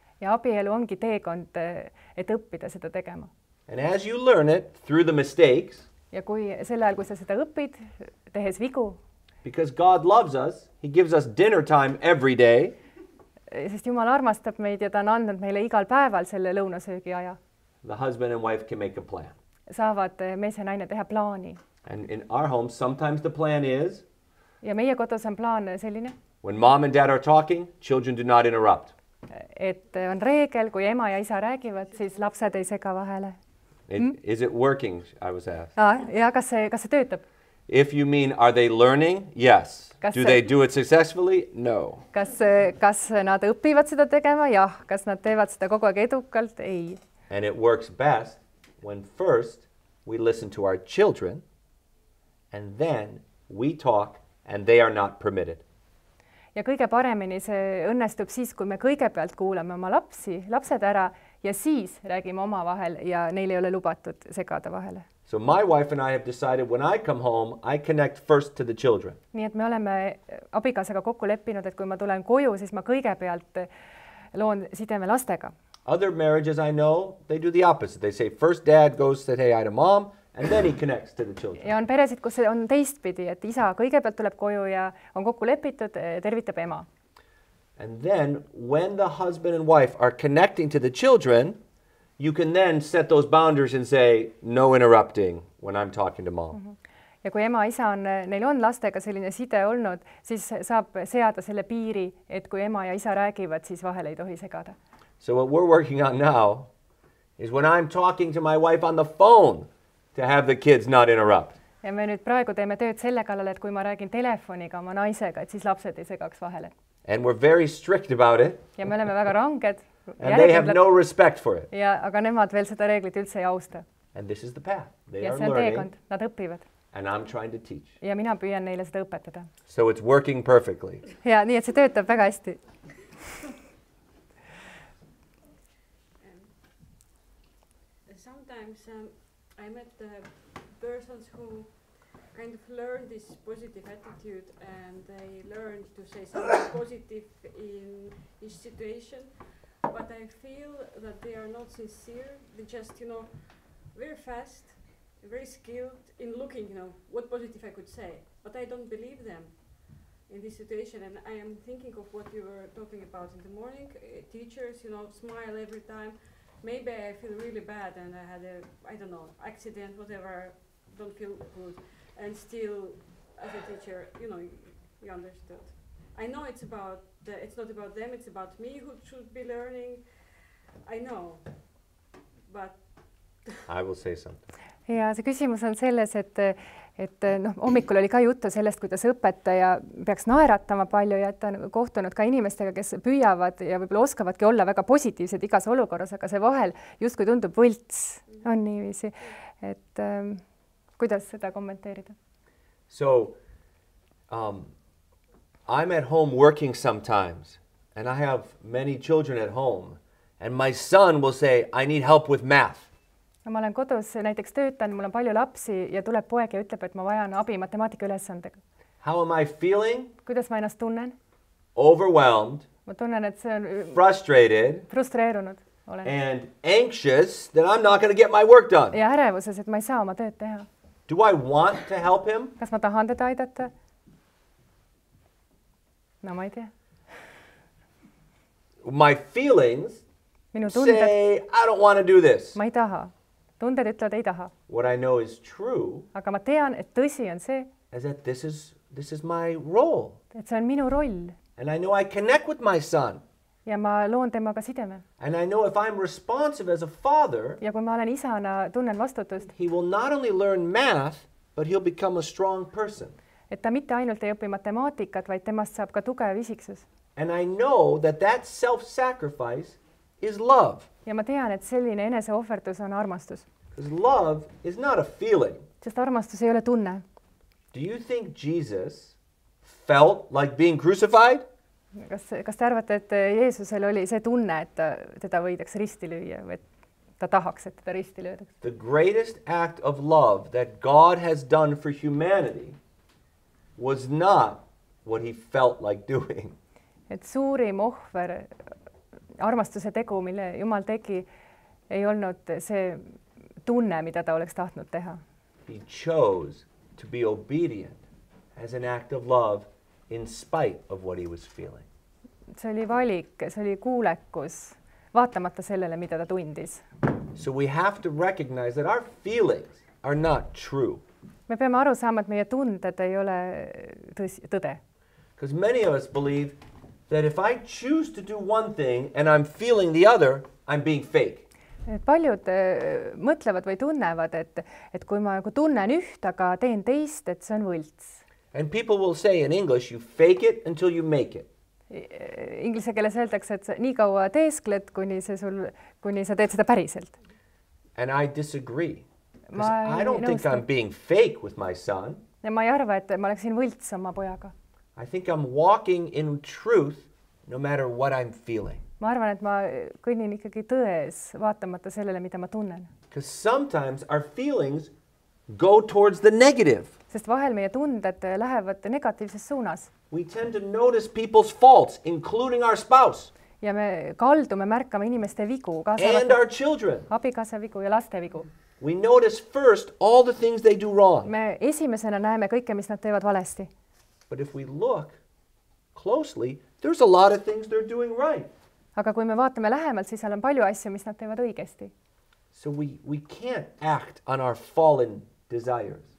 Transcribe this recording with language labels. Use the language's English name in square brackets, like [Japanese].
[Estonian] Ja abielu ongi teekond, et õppida seda tegema. [English] And as you learn it through the mistakes, [Estonian] ja kui selle ajal, kui sa seda õpid, tehes vigu, [English] because God loves us, he gives us dinner time every day, [Estonian] sest Jumal armastab meid ja ta on andnud meile igal päeval selle lõunasöögi aja, [English] the husband and wife can make a plan. [Estonian] Saavad mees ja naine teha plaani. [English] And in our home, sometimes the plan is, [Estonian] Ja meie kodus on plaan selline. [English] When mom and dad are talking, children do not interrupt. [Estonian] Et on reegel, kui ema ja isa räägivad, siis lapsed ei sega vahele. [English] Is it working, I was asked. [Estonian] Ja kas see töötab? [English] If you mean, are they learning? Yes. Do they do it successfully? No. [Estonian] Kas nad õppivad seda tegema? Jah. Kas nad teevad seda kogu aeg edukalt? Ei. [English] And it works best when first we listen to our children and then we talk and they are not permitted. [Estonian] Ja kõige paremini see õnnestub siis, kui me kõigepealt kuuleme oma lapsed ära ja siis räägime oma vahel ja neil ei ole lubatud segada vahele. [English] So my wife and I have decided when I come home, I connect first to the children. [Estonian] Nii et me oleme abikaasaga kokku leppinud, et kui ma tulen koju, siis ma kõigepealt loon sideme lastega. [English] Other marriages I know, they do the opposite. They say first dad goes to say hi to mom and then he connects to the children. [Estonian] Ja on peresid, kus on teistpidi, et isa kõigepealt tuleb koju ja on kokku lepitud, tervitab ema. [English] And then when the husband and wife are connecting to the children, you can then set those boundaries and say, no interrupting when I'm talking to mom. Mm-hmm. [Estonian] Ja kui ema isa on, neil on lastega selline side olnud, siis saab seada selle piiri, et kui ema ja isa räägivad, siis vahel ei tohi segada. [English] So what we're working on now is when I'm talking to my wife on the phone to have the kids not interrupt. [Estonian] Ja me nüüd praegu teeme tööd selle kallal, et kui ma räägin telefoniga oma naisega, et siis lapsed ei segaks vahele. [English] And we're very strict about it. [Estonian] Ja me oleme väga ranged. [English] And they have no respect for it. [Estonian] Ja, aga nemad veel seda reeglit üldse ei austa. [English] And this is the path. They [Estonian] ja [English] are [Estonian] see on teekond. Nad õppivad. [English] And I'm trying to teach. [Estonian] Ja mina püüan neile seda õpetada. [English] So it's working perfectly. [Estonian] Ja nii, et see töötab väga hästi. [English] Sometimes I met persons who kind of learn this positive attitude and they learn to say something positive in each situation. But I feel that they are not sincere. They just, you know, very fast, very skilled in looking, you know, what positive I could say. But I don't believe them in this situation. And I am thinking of what you were talking about in the morning. Teachers, you know, smile every time. Maybe I feel really bad and I had a, I don't know, accident, whatever. Don't feel good. And still, as a teacher, you know, you understood. I know it's about it's not about them, it's about me who should be learning. I know, but... I will say something. [Estonian] Ja see küsimus on selles, et no, hommikul oli ka juttu sellest, kuidas õpetaja peaks naeratama palju ja et on kohtunud ka inimestega, kes püüavad ja võib-olla oskavadki olla väga positiivsed igas olukorras, aga see vahel just kui tundub võlts on niiviisi. Et kuidas seda kommenteerida? [English] So... I'm at home working sometimes, and I have many children at home, and my son will say, I need help with math. [Estonian] Ma olen kodus, näiteks töötan, mul on palju lapsi, ja tuleb poeg ja ütleb, et ma vajan abi matemaatika ülesandega. [English] How am I feeling? [Estonian] Kuidas ma ennast tunnen? [English] Overwhelmed. [Estonian] Ma tunnen, et see on [English] frustrated. [Estonian] Frustreerunud olen. [English] And anxious that I'm not going to get my work done. [Estonian] Ja ärevuses, et ma ei saa oma tööd teha. [English] Do I want to help him? [Estonian] Kas ma tahan teda aidata? No, ma ei tea. [English] My feelings [Estonian] minu tunded, [English] say, I don't want to do this. [Estonian] Ma ei taha. Tunded ütlevad, ei taha. [English] What I know is true. [Estonian] Aga ma tean, et tõsi on see. [English] Is that this is my role. [Estonian] Et see on minu roll. [English] And I know I connect with my son. [Estonian] Ja ma loon temaga sideme. [English] And I know if I'm responsive as a father. [Estonian] Ja kui ma olen isana, tunnen vastutust. [English] He will not only learn math, but he'll become a strong person. [Estonian] Et ta mitte ainult ei õpi matemaatikat, vaid temast saab ka tugev isiksus. [English] And I know that that self-sacrifice is love. [Estonian] Ja ma tean, et selline eneseohverdus on armastus. [English] Because love is not a feeling. [Estonian] Sest armastus ei ole tunne. [English] Do you think Jesus felt like being crucified? [Estonian] Kas te arvate, et Jeesusel oli see tunne, et teda võidaks risti lüüa või et ta tahaks, et teda risti lüüdaks? [English] The greatest act of love that God has done for humanity was not what he felt like doing. [Estonian] Et suurim ohver, armastuse tegu, mille Jumal tegi, ei olnud see tunne, mida ta oleks tahtnud teha. [English] He chose to be obedient as an act of love in spite of what he was feeling. [Estonian] See oli valik, see oli kuulekus, vaatamata sellele, mida ta tundis. [English] So we have to recognize that our feelings are not true. [Estonian] Me peame aru saama, et meie tunded ei ole tõde. [English] Because many of us believe that if I choose to do one thing and I'm feeling the other, I'm being fake. [Estonian] Paljud mõtlevad või tunnevad, et kui ma tunnen üht, aga teen teist, et see on võlts. [English] And people will say in English, you fake it until you make it. [Estonian] Inglise keeles öeldakse, et nii kaua teeskled, kuni sa teed seda päriselt. [English] And I disagree. Because I don't think I'm being fake with my son. [Estonian] Ja ma ei arva, et ma oleksin võlts oma pojaga. [English] I think I'm walking in truth, no matter what I'm feeling. [Estonian] Ma arvan, et ma kõnnin ikkagi tões, vaatamata sellele, mida ma tunnen. [English] Because sometimes our feelings go towards the negative. [Estonian] Sest vahel meie tunded lähevad negatiivses suunas. [English] We tend to notice people's faults, including our spouse. [Estonian] Ja me kaldume, märkame inimeste vigu. [English] And our children. [Estonian] Abikaasa vigu ja laste vigu. [English] We notice first all the things they do wrong. [Estonian] Me esimesena näeme kõike, mis nad teevad valesti. [English] But if we look closely, there's a lot of things they're doing right. [Estonian] Aga kui me vaatame lähemalt, siis seal on palju asju, mis nad teevad õigesti. [English] So we can't act on our fallen desires.